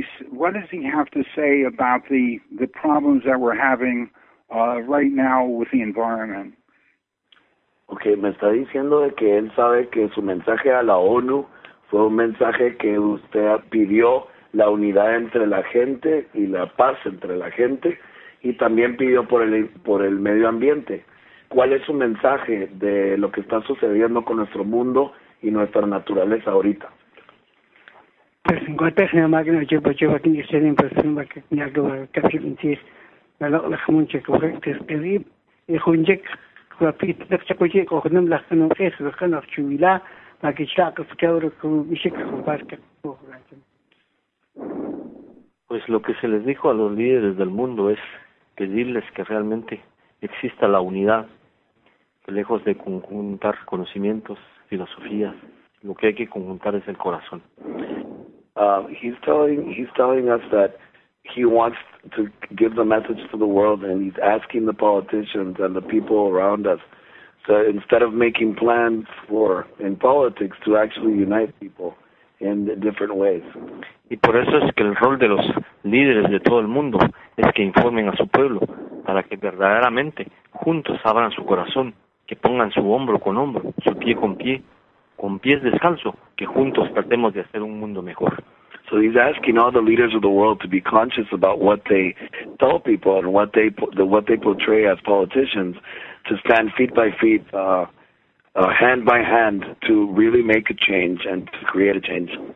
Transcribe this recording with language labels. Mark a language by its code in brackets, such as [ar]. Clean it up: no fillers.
[en] What does he have to say about the problems that we're having right now with the environment? [es] Okay, me está diciendo de que él sabe que su mensaje a la ONU fue un mensaje que usted pidió la unidad entre la gente y la paz entre la gente, y también pidió por el medio ambiente. ¿Cuál es su mensaje de lo que está sucediendo con nuestro mundo y nuestra naturaleza ahorita? Pues en cuanto a la máquina, yo aquí estoy en impresión, porque tenía que ver que hace 20 días, la loca la jamoncha que fue antes que vi, y con Jack, con la pita, la chaco y con un lazo no que es, la jana chumila, la que chaco, que fue que ahora con un bichico, con un parque, con un gancho. Pues lo que se les dijo a los líderes del mundo es pedirles que realmente exista la unidad, que lejos de conjuntar conocimientos, filosofías, lo que hay que conjuntar es el corazón. [en] He's telling us that he wants to give the message to the world, and he's asking the politicians and the people around us to, instead of making plans for in politics, to actually unite people in different ways. [es] Y por eso es que el rol de los líderes de todo el mundo es que informen a su pueblo para que verdaderamente juntos abran su corazón, que pongan su hombro con hombro, su pie con pie, con pies descalzo, que juntos tratemos de hacer un mundo mejor. [en] So he's asking all the leaders of the world to be conscious about what they tell people and what they portray as politicians, to stand feet by feet, hand by hand, to really make a change and to create a change.